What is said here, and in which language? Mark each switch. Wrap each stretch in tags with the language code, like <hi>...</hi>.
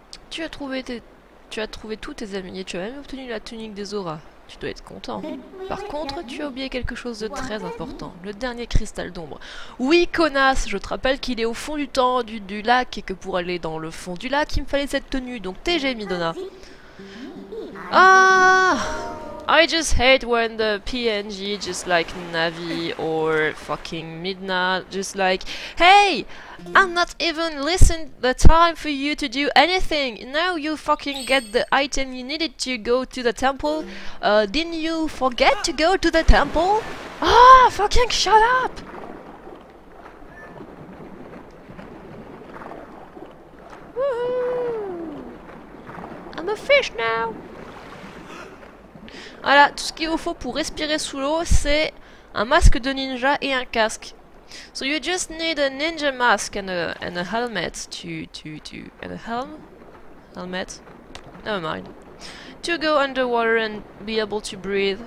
<fr>Tu as trouvé tous tes amis et tu as même obtenu la tunique des Zora. Tu dois être content. Par contre, tu as oublié quelque chose de très important. Le dernier cristal d'ombre. Oui, connasse, je te rappelle qu'il est au fond du temps du lac et que pour aller dans le fond du lac, il me fallait cette tenue. Donc TG, Midona. Ah!</fr> <en>I just hate when the PNG just like Navi or fucking Midna just like, hey, I'm not even listen the time for you to do anything. Now you fucking get the item you needed to go to the temple. Didn't you forget to go to the temple? Ah, fucking shut up! Woohoo! I'm a fish now!</en> <fr>Voilà, tout ce qu'il vous faut pour respirer sous l'eau, c'est un masque de ninja et un casque.</fr> <en>So you just need a ninja mask and a helmet to and a helmet. Never mind. To go underwater and be able to breathe.</en>